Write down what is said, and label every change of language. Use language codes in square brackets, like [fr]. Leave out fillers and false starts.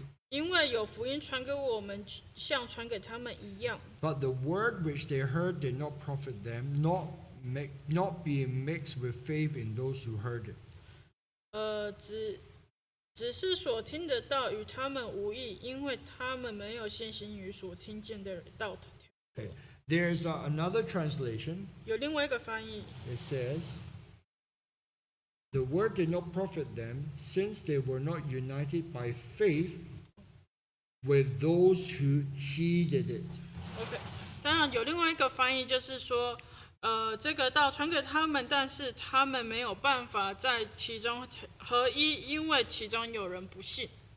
[zh] 因为有福音传给我们，像传给他们一样。 [en] But the word which they heard did not profit them, not being mixed with faith in those who heard it. [zh] 只是所听的道与他们无异，因为他们没有信心与所听见的道。 [en] Okay. There's another translation. [zh] 有另外一个翻译。 [en] It says, "The word did not profit them, since they were not united by faith with those who heeded it." Okay. [zh] 当然有另外一个翻译，就是说，这个道传给他们，但是他们没有办法在其中合一，因为其中有人不信。